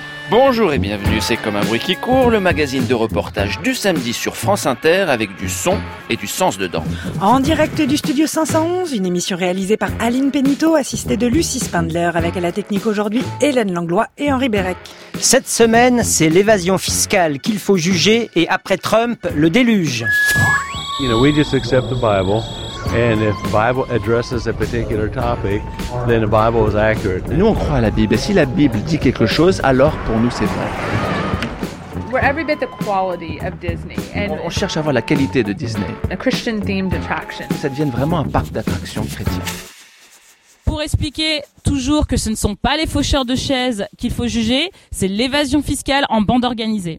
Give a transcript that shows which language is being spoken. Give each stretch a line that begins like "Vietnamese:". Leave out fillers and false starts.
French: Bonjour et bienvenue, c'est Comme un bruit qui court, le magazine de reportage du samedi sur France Inter avec du son et du sens dedans. En direct du studio 511, une émission réalisée par Aline Pénito, assistée de Lucie Spindler, avec à la technique aujourd'hui Hélène Langlois et Henri Bérec. Cette semaine, c'est l'évasion fiscale qu'il faut juger et après Trump, le déluge.
English: You know, we just accept the Bible. And if the Bible addresses a particular topic, then the Bible is accurate.
French: Nous, on croit à la Bible. Et si la Bible dit quelque chose, alors pour nous, c'est vrai.
English: We're every bit the quality of Disney.
French: And on cherche à voir la qualité de Disney.
English: A Christian-themed attraction.
French: Ça devienne vraiment un parc d'attractions chrétien. Pour expliquer toujours que ce ne sont pas les faucheurs de chaises qu'il faut juger, c'est l'évasion fiscale en bande organisée.